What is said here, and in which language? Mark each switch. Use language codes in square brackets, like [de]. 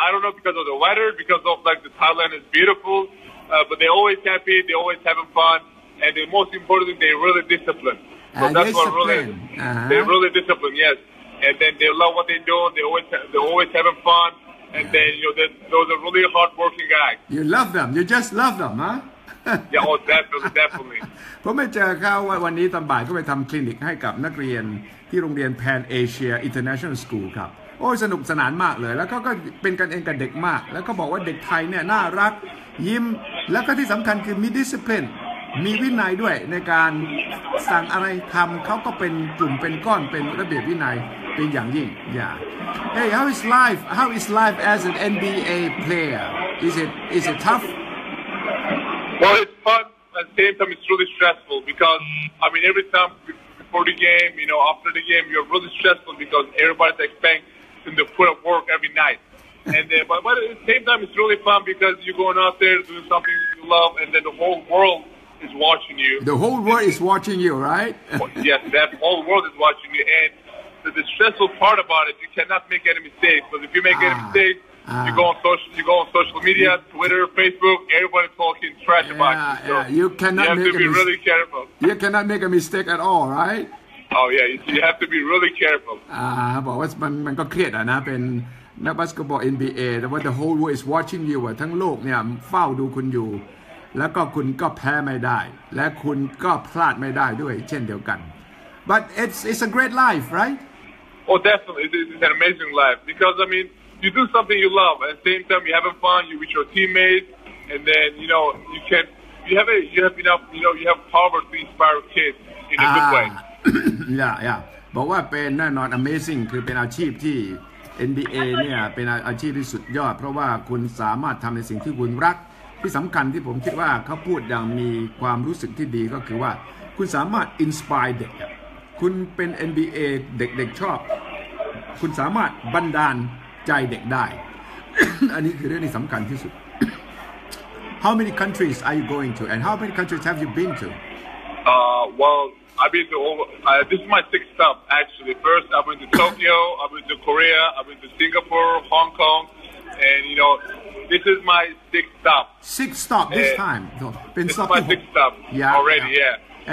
[en] I don't know because of the weather, because of the Thailand is beautiful, but they're always happy. They're always having fun, and the most important thing, they're really disciplined. So that's what really they're really disciplined. Yes, and then they love what they're doing. They're always having fun, and then those are really hardworking guys. You love them. You just love them, huh? Yeah, definitely. [th] ผมไม่เจอเขาวันนี้ตอนบ่ายก็ไปทำคลินิกให้กับนักเรียนที่โรงเรียนแพนเอเชียอินเตอร์เนชั่นแนลสคูลครับโอ้ยสนุกสนานมากเลยแล้วเขาก็เป็นกันเองกับเด็กมากแล้วก็บอกว่าเด็กไทยเนี่ยน่ารักยิ้มแล้วก็ที่สำคัญคือมีดิสซิปลินมีวินัยด้วยในการสั่งอะไรทำเขาก็เป็นกลุ่มเป็นก้อนเป็นระเบียบวินัยเป็นอย่างยิ่งอย่า [en] Hey, how is life as an NBA player? Is it tough? Well, it's fun, at the same time, it's really stressful because, I mean, every time before the game, after the game, you're really stressful because everybody's expecting to put up work every night. And then, but at the same time, it's really fun because you're going out there doing something you love and then the whole world is watching you. The whole world is watching you, right? Yes, the whole world is watching you. And the stressful part about it, you cannot make any mistakes because if you make any mistakes,You go on social media, Twitter, Facebook, everybody talking trash about you. You cannot make a mistake. You have to be really careful. You cannot make a mistake at all, right? Oh yeah, you have to be really careful. But what's man got clear that now been not basketball NBA, but the whole world is watching you. [th] ทั้งโลกเนี่ยเฝ้าดูคุณอยู่แล้วก็คุณก็แพ้ไม่ได้และคุณก็พลาดไม่ได้ด้วยเช่นเดียวกัน [en] But it's a great life, right? Oh, definitely. It's an amazing life. Because, I mean, you do something you love. At the same time, you're having fun, you're with your teammates. And then, you know, you can, you have a, you have enough, you know, you have power to inspire kids in a good way. Yeah, yeah. [th] บอกว่าเป็นแน่นอน amazing คือเป็นอาชีพที่ NBA เนี่ยเป็นอาชีพที่สุดยอดเพราะว่าคุณสามารถทำในสิ่งที่คุณรักที่สำคัญที่ผมคิดว่าเขาพูดอย่างมีความรู้สึกที่ดีก็คือว่าคุณสามารถ inspire เด็กคุณเป็น NBA เด็กๆชอบคุณสามารถบันดาลใจเด็กได้ อันนี้คือเรื่องที่สำคัญที่สุด [en] How many countries are you going to and how many countries have you been to Well I've been to over, this is my sixth stop actually. First, I went to Tokyo, I went to Korea, I went to Singapore, Hong Kong, and you know, this is my sixth stop. Sixth stop this time? So, been this stopping. Is my sixth stop yeah, already, yeah. yeah.